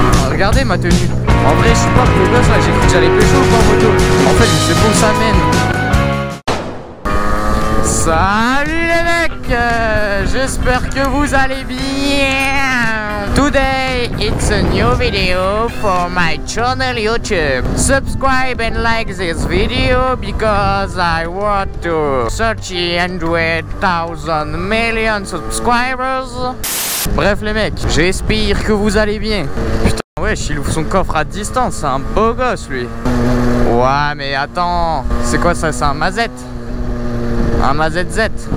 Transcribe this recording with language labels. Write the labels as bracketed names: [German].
[French] Regardez ma tenue. En vrai, je suis pas plus gosse là, j'ai cru que j'allais pécho ou pas moto. En fait, je sais pas où ça mène. Salut les mecs, j'espère que vous allez bien. [English] Today, it's a new video for my channel YouTube. Subscribe and like this video because I want to 300,000 million subscribers. [French] Bref les mecs, j'espère que vous allez bien. Putain, wesh, il ouvre son coffre à distance, c'est un beau gosse lui. Ouais, mais attends, c'est quoi ça, c'est un Mazette? Un Mazette Z.